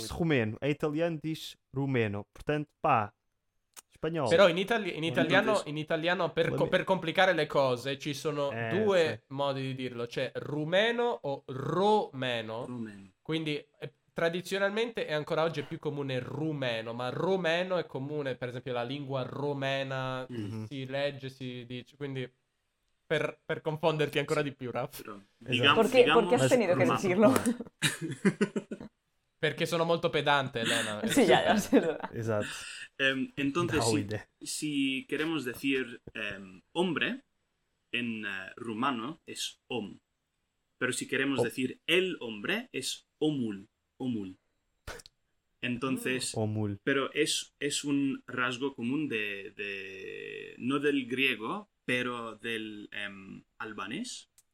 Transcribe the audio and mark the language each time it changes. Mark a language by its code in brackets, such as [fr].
[pt] Diz-se rumeno, em italiano diz rumeno. Portanto, pá, espanhol. [it] Però in italiano per complicare le cose ci sono due modi di dirlo, cioè rumeno o romeno. Quindi tradizionalmente e ancora oggi è più comune rumeno, ma romeno è comune, per esempio la lingua romena si legge, si dice, quindi per confonderti ancora di più, Raph. [es] Perché has tenido que decirlo? [it] Perché sono molto pedante, Elena. Sì, esatto. Esatto. [es] Entonces, si queremos decir hombre, in rumano es om, pero si queremos decir el hombre es omul. Omul. Entonces, omul. Pero es un rasgo común de no del griego, pero del albanés.